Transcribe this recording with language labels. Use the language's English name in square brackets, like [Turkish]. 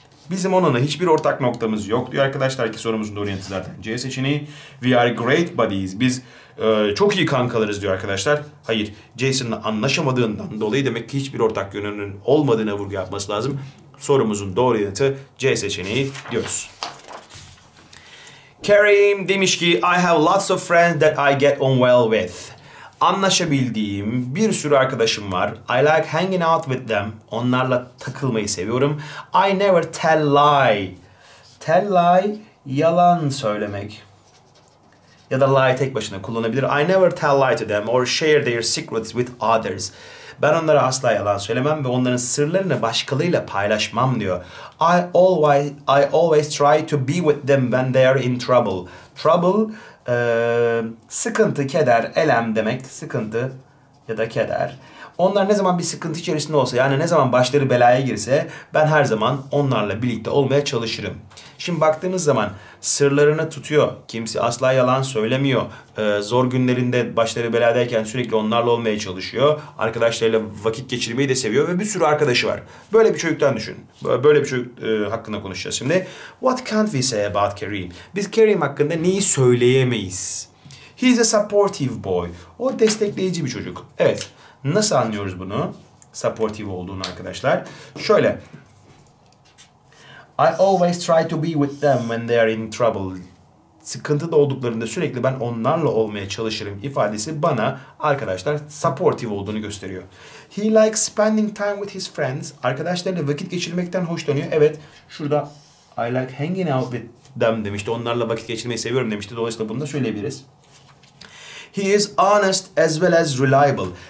[Turkish] Bizim onunla hiçbir ortak noktamız yok diyor arkadaşlar ki sorumuzun doğru yanıtı zaten. C seçeneği. [English] We are great buddies. [Turkish] Biz çok iyi kankalarız diyor arkadaşlar. Hayır, Jason'la anlaşamadığından dolayı demek ki hiçbir ortak yönünün olmadığına vurgu yapması lazım. Sorumuzun doğru yanıtı C seçeneği diyoruz. Karim demiş ki [English] I have lots of friends that I get on well with. [Turkish] Anlaşabildiğim bir sürü arkadaşım var. [English] I like hanging out with them. [Turkish] Onlarla takılmayı seviyorum. [English] I never tell lie. [Turkish] Tell lie, yalan söylemek. Ya da lie tek başına kullanabilir. [English] I never tell lie to them or share their secrets with others. [Turkish] Ben onlara asla yalan söylemem ve onların sırlarını başkalarıyla paylaşmam diyor. [English] I always try to be with them when they are in trouble. [Turkish] Trouble, sıkıntı, keder, elem demek. Sıkıntı ya da keder. Onlar ne zaman bir sıkıntı içerisinde olsa, yani ne zaman başları belaya girse, ben her zaman onlarla birlikte olmaya çalışırım. Şimdi baktığınız zaman sırlarını tutuyor. Kimse asla yalan söylemiyor. Zor günlerinde başları beladayken sürekli onlarla olmaya çalışıyor. Arkadaşlarıyla vakit geçirmeyi de seviyor ve bir sürü arkadaşı var. Böyle bir çocuktan düşün. Böyle bir çocuk hakkında konuşacağız şimdi. [English] What can't we say about Kareem? [Turkish] Biz Kareem hakkında neyi söyleyemeyiz? [English] He's a supportive boy. [Turkish] O destekleyici bir çocuk. Evet. Nasıl anlıyoruz bunu? Supportive olduğunu arkadaşlar. Şöyle. [English] I always try to be with them when they are in trouble. [Turkish] Sıkıntıda olduklarında sürekli ben onlarla olmaya çalışırım ifadesi bana arkadaşlar supportive olduğunu gösteriyor. [English] He likes spending time with his friends. [Turkish] Arkadaşlarıyla vakit geçirmekten hoşlanıyor. Evet, şurada [English] I like hanging out with them [Turkish] demişti. Onlarla vakit geçirmeyi seviyorum demişti. Dolayısıyla bunu da söyleyebiliriz. [English] He is honest as well as reliable.